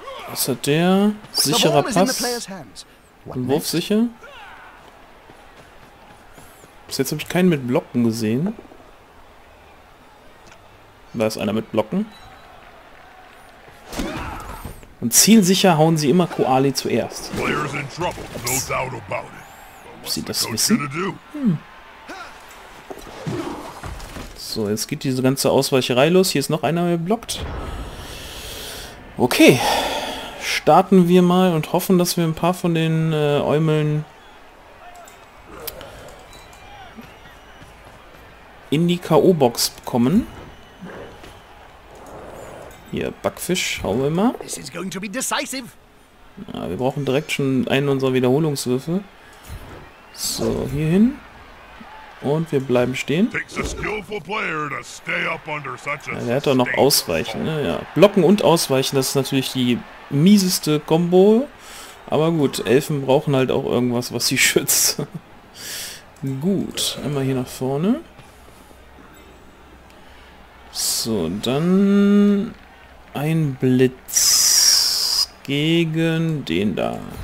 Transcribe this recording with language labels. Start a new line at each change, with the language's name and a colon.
German: Was hat der? Sicherer Pass. Und Wurfsicher. Bis jetzt habe ich keinen mit Blocken gesehen. Da ist einer mit Blocken. Und zielsicher hauen sie immer Koali zuerst.
English: Players in trouble, no doubt about it.
German: Ob sie das wissen? Hm. So, jetzt geht diese ganze Ausweicherei los. Hier ist noch einer geblockt. Okay. Starten wir mal und hoffen, dass wir ein paar von den Eumeln in die K.O.-Box bekommen. Hier, Backfisch, hauen wir mal.
English: This is going to be decisive.
German: Ja, wir brauchen direkt schon einen unserer Wiederholungswürfe. So, hier hin. Und wir bleiben stehen.
English: Takes a skillful player to stay up under such a
German: ja, der hat doch noch Ausweichen, ne? Ja. Blocken und Ausweichen, das ist natürlich die mieseste Kombo. Aber gut, Elfen brauchen halt auch irgendwas, was sie schützt. Gut, einmal hier nach vorne. So, dann ein Blitz gegen den da.